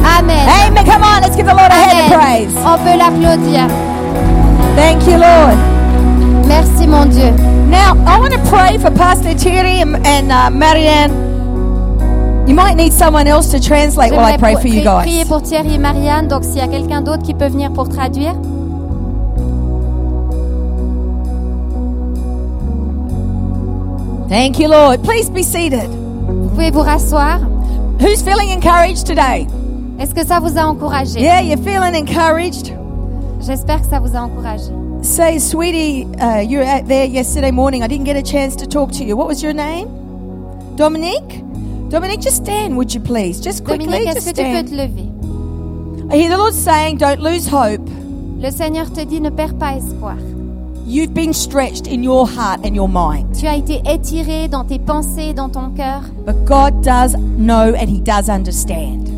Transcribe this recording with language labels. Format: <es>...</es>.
<en>Amen. Amen. Come on, let's give the Lord a hand of praise.</en> <fr>On peut l'applaudir.</fr> <en>Thank you, Lord.</en> <fr>Merci, mon Dieu.</fr> <en>Now, I want to pray for Pastor Thierry and Marianne. You might need someone else to translate while I pray for you guys.</en> <fr>Je vais prier pour Thierry et Marianne, donc s'il y a quelqu'un d'autre qui peut venir pour traduire.</fr> <en>Thank you, Lord. Please be seated.</en> <fr>Vous pouvez vous rasseoir.</fr> <en>Who's feeling encouraged today?</en> <fr>Est-ce que ça vous a encouragé?</fr> <en>Yeah, you're feeling encouraged.</en> <fr>J'espère que ça vous a encouragé.</fr> <en>Say, sweetie, you were out there yesterday morning. I didn't get a chance to talk to you. What was your name? Dominique? Dominique, just stand, would you please? Just quickly, Dominique, just stand.</en> <fr>Dominique, est-ce que tu peux te lever?</fr> <en>I hear the Lord saying, don't lose hope.</en> <fr>Le Seigneur te dit, ne perds pas espoir.</fr> <en>You've been stretched in your heart and your mind.</en> <fr>Tu as été étiré dans tes pensées, dans ton cœur.</fr> <en>But God does know and he does understand.</en>